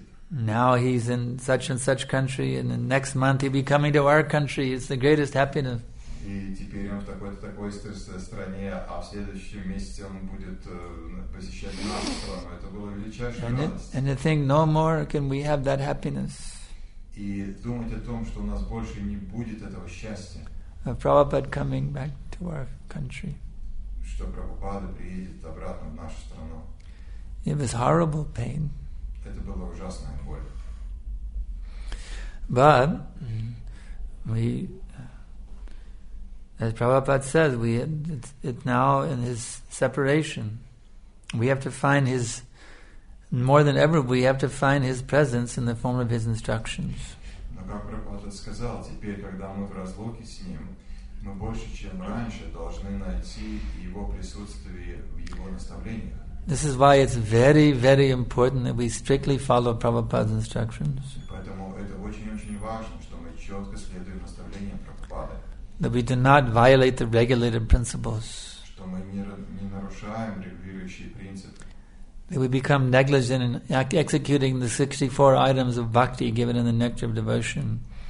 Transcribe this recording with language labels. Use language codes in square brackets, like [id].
[en] Now he's in such and such country, and the next month he'll be coming to our country. It's the greatest happiness. And to think no more can we have that happiness. [ru] И думать о том, что у нас больше не будет этого счастья. [en] Of Prabhupada coming back to our country. [ru] Что Прабхупада приедет обратно в нашу страну. [en] It was horrible pain. [ru] Это была ужасная боль. [en] But we, as Prabhupada says, we it now in his separation, we have to find his. More than ever, we have to find his presence in the form of his instructions. [ru] Но как Прабхупада сказал, теперь, когда мы в разлуке с ним, мы больше, чем раньше, должны найти его присутствие в его наставлениях. [en] This is why it's very, very important that we strictly follow Prabhupada's instructions. [ru] Поэтому это очень-очень важно, что мы четко следуем наставлениям Прабхупады. [en] That we do not violate the regulated principles. [ru] Что мы не нарушаем регулирующие принципы. [en] That we become negligent in executing the 64 items of bhakti given in the Nectar of Devotion.